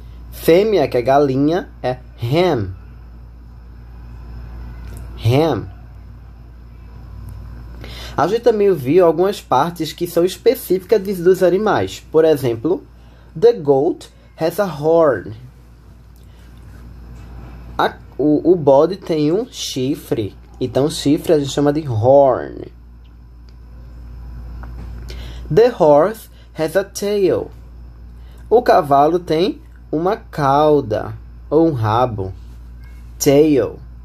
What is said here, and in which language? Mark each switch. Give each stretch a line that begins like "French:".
Portuguese: Fêmea, que é galinha, é hen, hen. A gente também viu algumas partes que são específicas dos animais. Por exemplo,
English: the goat has a horn.
Portuguese: O bode tem um chifre. Então, chifre a gente chama de horn.
English: The horse has a tail.
Portuguese: O cavalo tem uma cauda ou um rabo.
English: Tail.